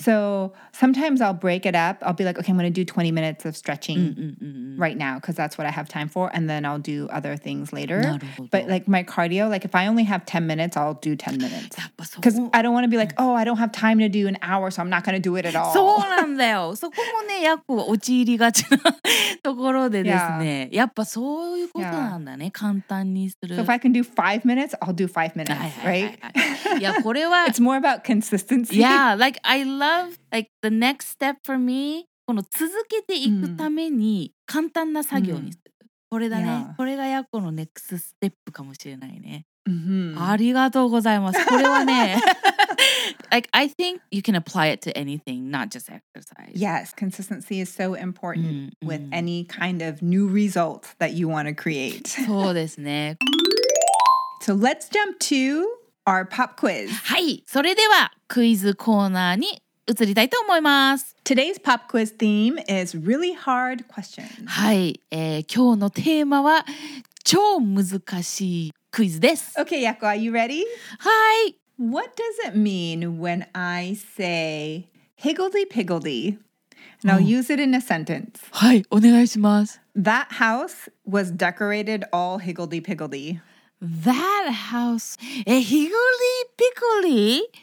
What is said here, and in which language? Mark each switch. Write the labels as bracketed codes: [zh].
[en] So sometimes I'll break it up. I'll be like, okay, I'm going to do 20 minutes of stretching right now because that's what I have time for. And then I'll do other things later. [ja] なるほど。 [en] But like my cardio, like if I only have 10 minutes, I'll do 10 minutes. [ja] やっぱそう。 [en] Because I don't want to be like, oh, I don't have time to do an hour, so I'm not going to do it at all. [ja] そうなんだよ。そこもね、やっぱ落ち入りがちなところでですね。 [en] Yeah. [ja] やっぱそういうことなんだ。 Yeah. だね、簡単にする。 [en] So if I can do 5 minutes, I'll do 5 minutes, right? [ja] いや、これは [en] It's more about consistency. Yeah, like I love like the next step for me, [ja] この続けていくために簡単な作業にする。これだね。 [en] Yeah. [ja] これがヤコの next step かもしれないね。ありがとうございます。これはね。 [en] Like, I think you can apply it to anything, not just exercise. Yes, consistency is so important with any kind of new result that you want to create. [ja] そうですね。 [en] So let's jump to our pop quiz. [ja] はい、それではクイズコーナーに移りたいと思います。 [en] Today's pop quiz theme is really hard questions. [ja] はい、今日のテーマは超難しいクイズです。 [en] Okay, Yako, are you ready? [ja] はい。 [en] What does it mean when I say higgledy-piggledy? And I'll use it in a sentence. [ja] はい、お願いします。 [en] That house was decorated all higgledy-piggledy. That house, Higgledy Piggledy.